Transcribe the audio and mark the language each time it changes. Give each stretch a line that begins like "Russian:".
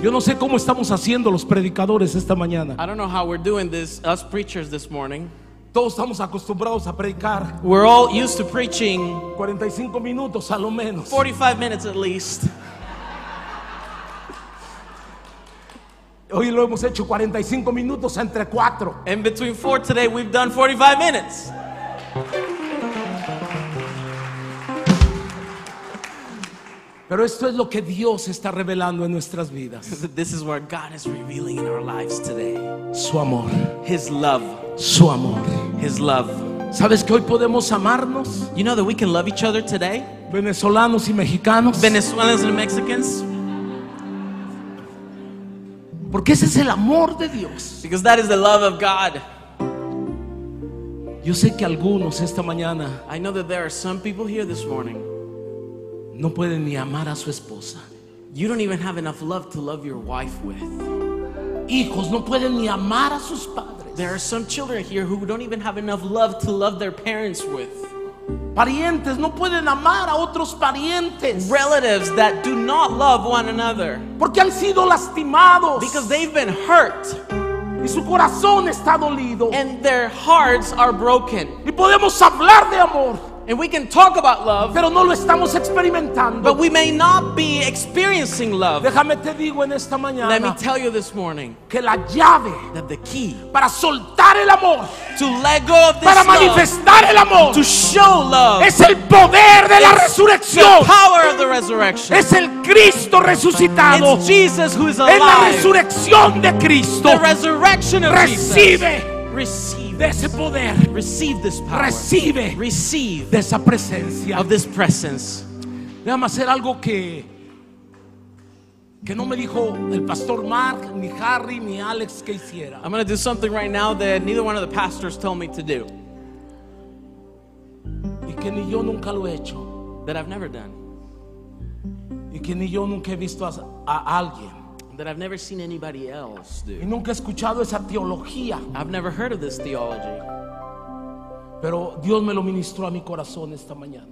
Spanish: Yo no sé cómo estamos haciendo los predicadores esta mañana.
English: I don't know how we're doing this, us preachers this morning.
Spanish: Todos estamos acostumbrados a predicar.
English: We're all used to preaching
Spanish: 45 minutos a lo menos.
English: 45 minutes at least.
Spanish: Hoy lo hemos hecho 45 minutos entre 4.
English: In between 4 today we've done 45 minutes.
Spanish: Pero esto es lo que Dios está revelando en nuestras vidas.
English: This is what God is revealing in our lives today.
Spanish: Su amor.
English: His love.
Spanish: Su amor.
English: His love.
Spanish: ¿Sabes que hoy podemos amarnos?
English: You know that we can love each other today?
Spanish: Venezolanos y mexicanos.
English: Venezuelans and Mexicans.
Spanish: Porque ese es el amor de Dios.
English: Because that is the love of God.
Spanish: Yo sé que algunos esta mañana,
English: I know that there are some people here this morning,
Spanish: no pueden ni amar a su esposa.
English: You don't even have enough love to love your wife with.
Spanish: Hijos no pueden ni amar a sus padres.
English: There are some children here who don't even have enough love to love their parents with.
Spanish: Parientes no pueden amar a otros parientes.
English: Relatives that do not love one another.
Spanish: Porque han sido lastimados.
English: Because they've been hurt.
Spanish: Y su corazón está dolido.
English: And their hearts are broken.
Spanish: Y podemos hablar de amor.
English: And we can talk about love,
Spanish: pero no lo estamos experimentando.
English: But we may not be experiencing love.
Spanish: Déjame te digo en esta mañana,
English: let me tell you this morning,
Spanish: que la llave,
English: that the key,
Spanish: para soltar el amor,
English: to let go of this
Spanish: para
English: love,
Spanish: manifestar el amor,
English: to show love,
Spanish: es el poder de la resurrección.
English: The power of the resurrection.
Spanish: Es el Cristo resucitado.
English: It's Jesus who is alive.
Spanish: Es la resurrección de Cristo.
English: The resurrection of
Spanish: recibe.
English: Jesus.
Spanish: Recibe. De ese poder.
English: Receive this power.
Spanish: Recibe.
English: Receive.
Spanish: De esa presencia.
English: Of this presence.
Spanish: Déjame hacer algo que no me dijo el pastor Mark, ni Harry, ni Alex que hiciera.
English: I'm going to do something right now that neither one of the pastors told me to do.
Spanish: Y que ni yo nunca lo he hecho.
English: That I've never done.
Spanish: Y que ni yo nunca he visto a alguien.
English: That I've never seen anybody else do.
Spanish: Y nunca he escuchado esa teología.
English: I've never heard of this theology.
Spanish: Pero Dios me lo ministró a mi corazón esta mañana.